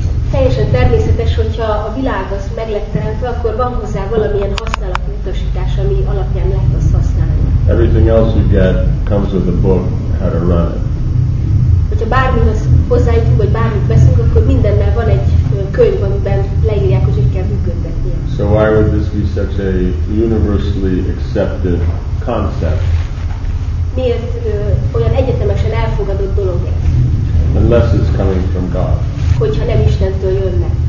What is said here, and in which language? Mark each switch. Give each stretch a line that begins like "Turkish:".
Hungarian: Teljesen természetes, hogyha a világ az meg lett teremtve, akkor van hozzá valamilyen használatutasítás, ami alapján lehet azt használni.
English: Everything else you get comes with a book how to run it.
Hungarian: Hogyha bármihoz hozzájutunk, vagy bármit veszünk, akkor mindennel van egy könyv, amiben leírják, hogy kell működtetnie.
English: So why would this be such a universally accepted concept?
Hungarian: Miért olyan egyetemesen elfogadott dolog ez?
English: Unless it's coming from God.
Hungarian: Hogyha nem Istentől jönne.